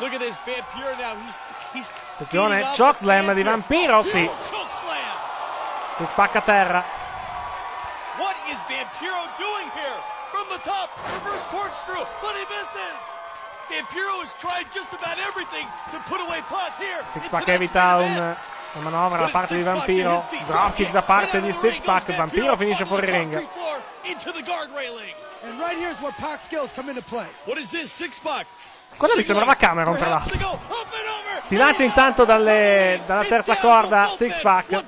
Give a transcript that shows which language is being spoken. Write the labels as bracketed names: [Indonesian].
[English] Look at this, Vampiro now. He's [Italian] attenzione, chokeslam di Vampiro, sì. [English] Chokeslam. [Italian] Si spacca a terra. [English] What is Vampiro doing here? From the top, reverse corkscrew, but he misses. Vampiro has tried just about everything to put away Pac here. [Italian] Six Pack evita una manovra da parte di Vampiro. Dropkick da parte di Six Pack. Vampiro finisce fuori ring. [English] Into the guard railing. And right here is where Pac's skills come into play. What is this, Six Pack? [Italian] Quella mi sembrava Cameron, tra l'altro. Si lancia intanto dalla terza corda Six Pack.